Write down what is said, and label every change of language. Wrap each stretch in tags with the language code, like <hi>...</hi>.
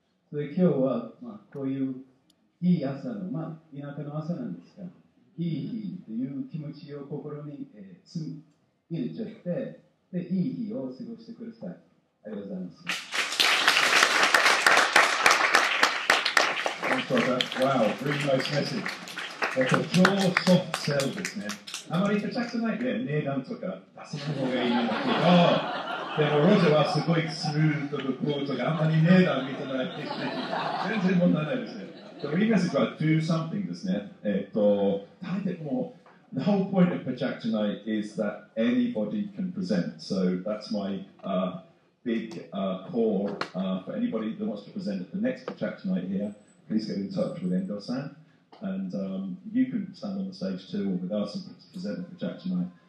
<ja>それで今日は、まあ、こういういい朝の、まあ、田舎の朝なんですが、いい日という気持ちを心に、入れちゃって、でいい日を過ごしてください。ありがとうございます。</ja> <en>for that. Wow, really nice message. That's a pure soft sell</en> <ja>ですね。あまり固くないで、値段とか出さない方がいいんだけど、でもロジェはすごいスルーとかクォーとかあまり値段見てないで、全然問題ないですね。でも、いいですか、</ja> <en>do something</en> <ja>ですね。大体もう、</ja> <en>the whole point of projectionite is that anybody can present. So that's my big core for anybody that wants to present at the next projectionite here. Please get in touch with Endo-san. And you can stand on the stage too or with us and present at projectionite.</en>